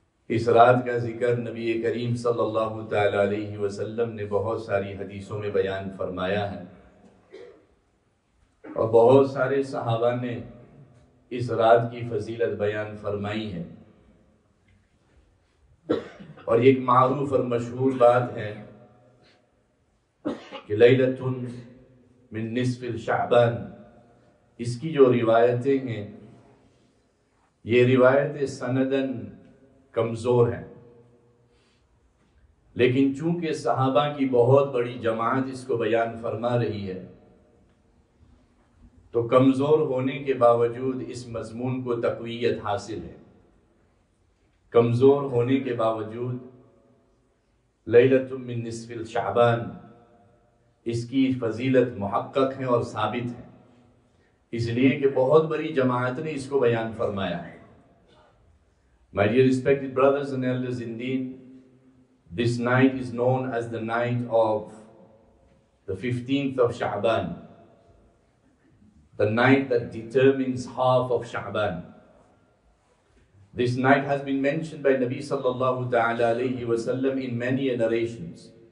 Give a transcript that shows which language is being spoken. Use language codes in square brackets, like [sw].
[ur] اس رات کا ذکر نبی کریم صلی اللہ تعالیٰ علیہ وسلم نے بہت ساری حدیثوں میں بیان فرمایا ہے اور بہت سارے صحابہ نے اس رات کی فضیلت بیان فرمائی ہے اور ایک معروف اور مشہور بات ہے کہ لیلتن من نصف الشعبان, اس کی جو روایتیں ہیں یہ روایتیں سندن کمزور ہیں, لیکن چونکہ صحابہ کی بہت بڑی جماعت اس کو بیان فرما رہی ہے تو کمزور ہونے کے باوجود اس مضمون کو تقویت حاصل ہے. کمزور ہونے کے باوجود لیلۃ من نصف شعبان اس کی فضیلت محقق ہے اور ثابت ہے, اس لیے کہ بہت بڑی جماعت نے اس کو بیان فرمایا ہے. [en] My dear respected brothers and elders, indeed, this night is known as the night of the 15th of Sha'ban, the night that determines half of Sha'ban. This night has been mentioned by Nabi sallallahu ta'ala alayhi wa sallam in many narrations.